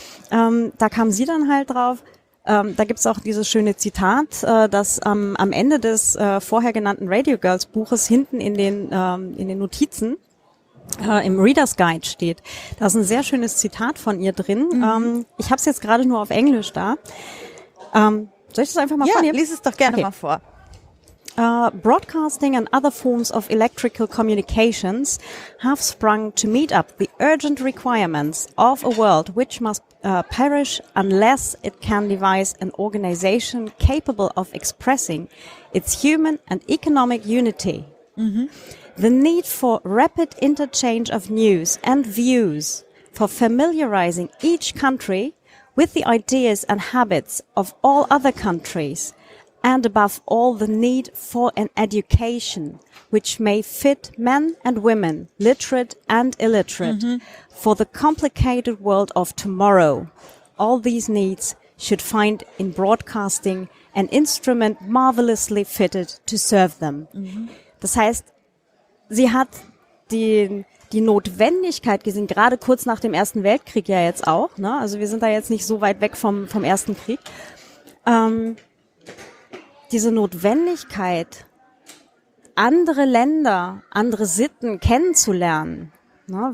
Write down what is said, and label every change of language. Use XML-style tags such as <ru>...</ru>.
<de>Da kam sie dann halt drauf, da gibt's auch dieses schöne Zitat, dass am Ende des vorher genannten Radio Girls Buches hinten in den Notizen im Reader's Guide steht. Da ist ein sehr schönes Zitat von ihr drin. Ich habe es jetzt gerade nur auf Englisch da. Soll ich das einfach mal vornehmen? Ja, lies es doch gerne mal vor.</de> <en>Broadcasting and other forms of electrical communications have sprung to meet up the urgent requirements of a world which must perish unless it can devise an organization capable of expressing its human and economic unity. Mm-hmm. The need for rapid interchange of news and views, for familiarizing each country with the ideas and habits of all other countries, and above all the need for an education which may fit men and women, literate and illiterate, for the complicated world of tomorrow. All these needs should find in broadcasting an instrument marvelously fitted to serve them. Mm-hmm.</en> <de>Das heißt, sie hat die Notwendigkeit gesehen, gerade kurz nach dem Ersten Weltkrieg ja jetzt auch, ne? Also wir sind da jetzt nicht so weit weg vom Ersten Krieg. Diese Notwendigkeit, andere Länder, andere Sitten kennenzulernen, ne?</de>